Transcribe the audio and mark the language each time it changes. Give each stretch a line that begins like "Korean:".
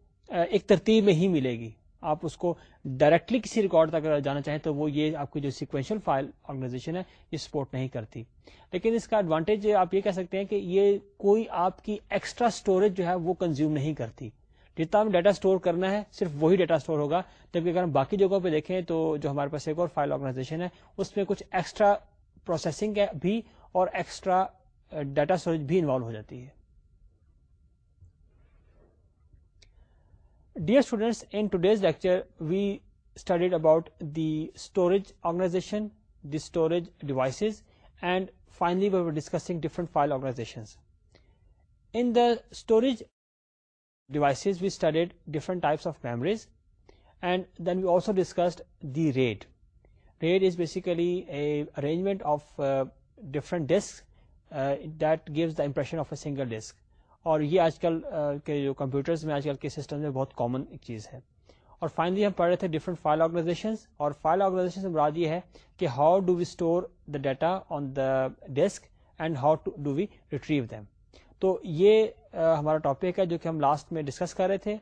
Urdu: ایک ترتیب میں ہی ملے گی آپ اس کو ڈائریکٹلی کسی ریکارڈ تک جانا چاہیں تو وہ یہ آپ کی جو سیکوینشل فائل آرگنائزیشن ہے یہ سپورٹ نہیں کرتی لیکن اس کا ایڈوانٹیج آپ یہ کہہ سکتے ہیں کہ یہ کوئی آپ کی ایکسٹرا اسٹوریج جو ہے وہ کنزیوم نہیں کرتی جتنا ہم ڈیٹا اسٹور کرنا ہے صرف وہی ڈیٹا اسٹور ہوگا جبکہ اگر ہم باقی جگہوں پہ دیکھیں تو جو ہمارے پاس ایک اور فائل آرگنائزیشن ہے اس میں کچھ ایکسٹرا پروسیسنگ بھی اور ایکسٹرا ڈیٹا اسٹوریج بھی انوالو ہو جاتی ہے.
English: Dear students, in today's lecture, we studied about the storage organization, the storage devices, and finally we were discussing different file organizations. In the storage devices, we studied different types of memories, and then we also discussed the RAID. RAID is basically an arrangement of different disks that gives the impression of a single disk.
Urdu: اور یہ آج کل کے جو computers میں آج کل کے سسٹم میں بہت کامن ایک چیز ہے. اور فائنلی ہم پڑھ رہے تھے ڈفرنٹ فائل آرگنائزیشنز, اور فائل آرگنائزیشن سے مراد یہ ہے کہ
English: How do we store the data on the disk and how do we retrieve them.
Urdu: تو یہ ہمارا ٹاپک ہے جو کہ ہم لاسٹ میں ڈسکس کر رہے تھے.